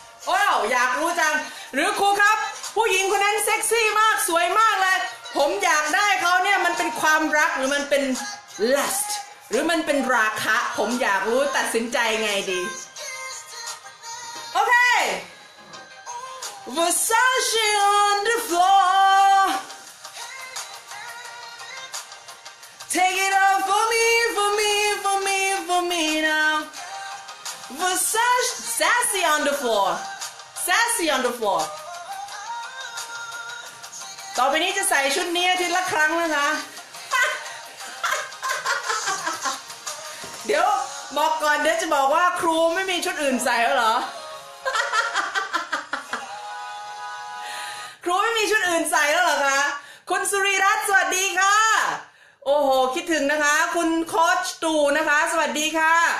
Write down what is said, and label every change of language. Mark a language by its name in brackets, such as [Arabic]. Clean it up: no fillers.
[Thai] ว้าวอยากรู้จังหรือครูครับผู้หญิงคนนั้นเซ็กซี่มากสวยมากเลยผมอยากได้เขาเนี่ยมันเป็นความรักหรือมันเป็น lust หรือมันเป็นราคะผมอยากรู้ตัดสินใจไงดีโอเค [English] Versace on the floorTake it off for me, for me, for me, for me now. Versace, sassy on the floor. Sassy on the floor. [Thai] ต่อไปนี้จะใส่ชุดนี้ทีละครั้งนะคะ เดี๋ยวบอกก่อนเดี๋ยวจะบอกว่าครูไม่มีชุดอื่นใส่แล้วเหรอ ครูไม่มีชุดอื่นใส่แล้วเหรอคะคุณสุรีรัตน์สวัสดีค่ะโอ้โหคิดถึงนะคะคุณโค้ชตูนะคะสวัสดีค่ะ